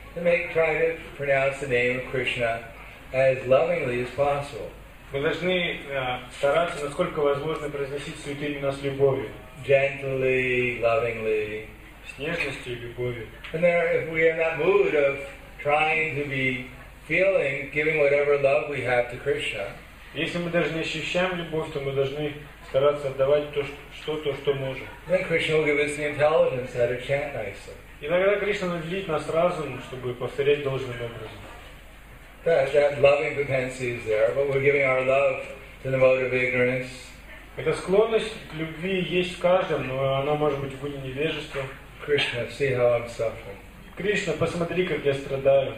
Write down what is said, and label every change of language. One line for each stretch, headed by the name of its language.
English: And try to pronounce the name of Krishna as lovingly as possible.
Russian: Мы должны стараться, насколько возможно, произносить святые имена с любовью.
English: Gently, lovingly.
Russian: С нежностью и любовью.
English: And there, if we are in that mood of trying to be feeling, giving whatever love we have to Krishna.
Russian: Если мы даже не ощущаем любовь, то мы должны стараться отдавать то, что можем.
English: Then Krishna will give us the intelligence how to chant nicely.
Russian: Иногда Кришна наделит нас разумом, чтобы повторять должным образом.
English: That loving propensity is there, but we're giving our love to the mode of ignorance.
Russian: Эта склонность к любви есть в каждом, но она может быть в виде невежества.
English: Krishna, see how I'm suffering.
Russian: Кришна, посмотри, как я страдаю.